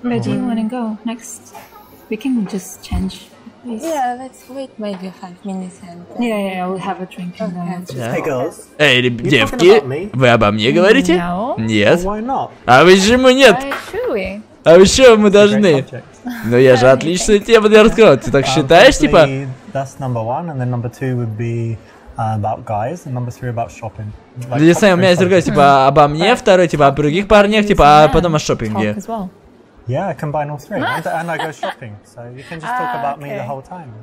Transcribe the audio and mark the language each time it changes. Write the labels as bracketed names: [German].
[English] We can just change. Please. Yeah, let's wait maybe 5 minutes and yeah, we'll have a drink. Okay. Yeah. Hey girls. [Russian] Эй, девки, вы обо мне говорите? [English] No. [Russian] Нет. [English] Well, why not? [Russian] А почему нет? А еще мы должны. Ну я же отличная тема для разговора. Ты так считаешь, типа? [English] That's number one, and then number two would be about guys, and number three about shopping. [Russian] Ну я сам, у меня есть другой, типа обо мне, второй, типа о других парнях, типа, а потом о шопинге. [English] Yeah, I combine all three. And I go shopping. So you can just talk about okay. me the whole time.